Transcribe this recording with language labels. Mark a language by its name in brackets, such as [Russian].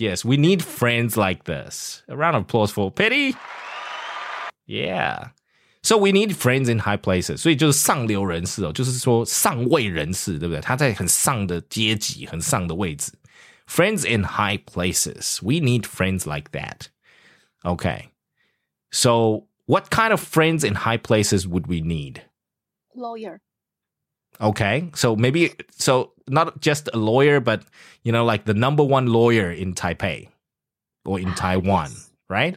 [English] Yes, we need friends like this. A round of applause for Petty. Yeah. So we need friends in high places. [Chinese] 所以就是上流人士哦，就是说上位人士，对不对？他在很上的阶级，很上的位置。 [English] Friends in high places. We need friends like that. Okay. So what kind of friends in high places would we need? Lawyer. Okay, so not just a lawyer, but, you know, like the number one lawyer in Taipei or in Taiwan, right?